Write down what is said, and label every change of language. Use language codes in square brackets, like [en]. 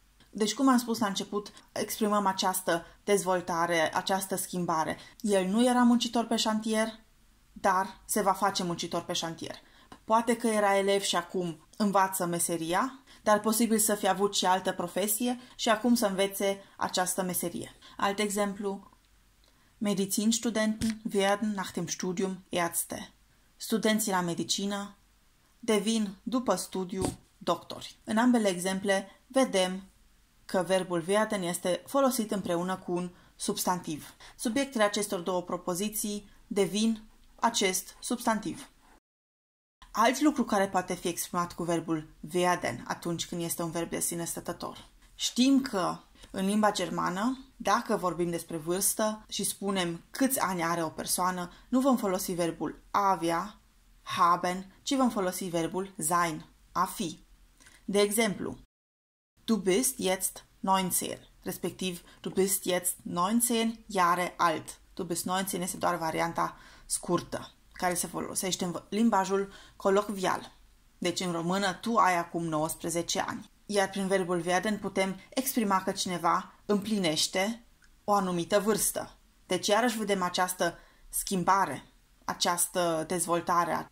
[ro] Deci, cum am spus la început, exprimăm această dezvoltare, această schimbare. El nu era muncitor pe șantier, dar se va face muncitor pe șantier. Poate că era elev și acum învață meseria, dar posibil să fi avut și altă profesie și acum să învețe această meserie. Alt exemplu. [de] Medizinstudenten werden nach dem Studium Ärzte. [ro] Studenții la medicină devin după studiu doctori. În ambele exemple vedem că verbul werden este folosit împreună cu un substantiv. Subiectele acestor două propoziții devin acest substantiv. Alt lucru care poate fi exprimat cu verbul werden atunci când este un verb de sine stătător. Știm că În limba germană, dacă vorbim despre vârstă și spunem câți ani are o persoană, nu vom folosi verbul avea, haben, ci vom folosi verbul sein, a fi. De exemplu, [de] du bist jetzt 19, respectiv du bist jetzt 19 Jahre alt. [ro] Du bist 19 este doar varianta scurtă, care se folosește în limbajul colocvial. Deci în română, tu ai acum 19 ani. Iar prin verbul werden putem exprima că cineva împlinește o anumită vârstă. Deci iarăși vedem această schimbare, această dezvoltare.